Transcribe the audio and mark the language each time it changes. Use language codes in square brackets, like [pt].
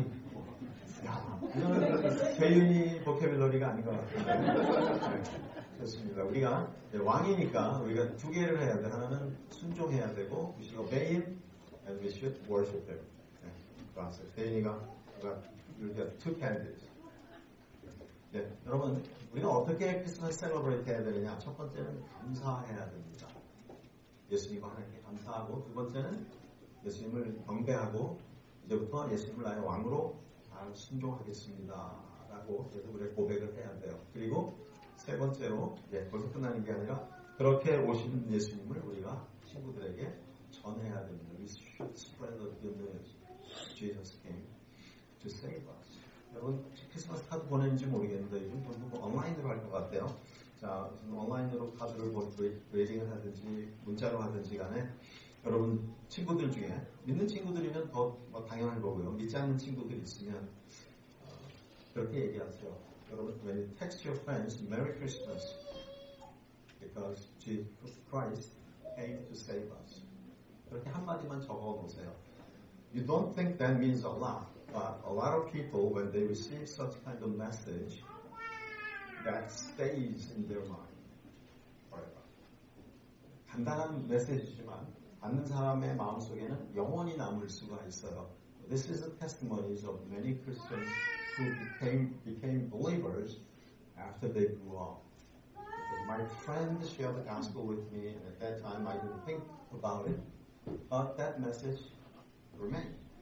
[ko] 어이, 야, 이런 재윤이 보케빌러리가 아닌 것 같아요. 좋습니다. 우리가 네, 왕이니까 우리가 두 개를 해야 돼. 하나는 순종해야 되고, [en] we should obey him and we should worship him. [ko] 맞아요. 재윤이가 우리가 이렇게 [en] two candidates. [ko] 네, 여러분 우리가 어떻게 크리스마스 셀러브레이트 해야 되느냐? 첫 번째는 감사해야 됩니다. 예수님과 함께 감사하고, 두 번째는 예수님을 경배하고, 이제부터 예수님을 나의 왕으로 잘 순종하겠습니다 라고 계속 우리 고백을 해야 돼요. 그리고 세 번째로, 네, 벌써 끝나는 게 아니라 그렇게 오신 예수님을 우리가 친구들에게 전해야 됩니다. [en] We should spread the good news Jesus came to save us. [ko] 여러분 크리스마스 카드 보내는지 모르겠는데 요즘 전부 뭐 온라인으로 할 것 같아요. 자, 온라인으로 카드를 웨딩을 하든지 문자로 하든지 간에 여러분 친구들 중에 믿는 친구들이면 더 뭐 당연한 거고요. 믿지 않는 친구들 있으면 그렇게 얘기하세요. [en] 여러분 when you text your friends Merry Christmas because Jesus Christ came to save us. [ko] 그렇게 한마디만 적어보세요. [en] You don't think that means a lot. But a lot of people, when they receive such kind of message, that stays in their mind forever. [ko] 간단한 메시지지만 받는 사람의 마음속에는 영원히 남을 수가 있어요. [en] This is a testimony of many Christians who became believers after they grew up. Because my friend shared the gospel with me, and at that time I didn't think about it, but that message remained.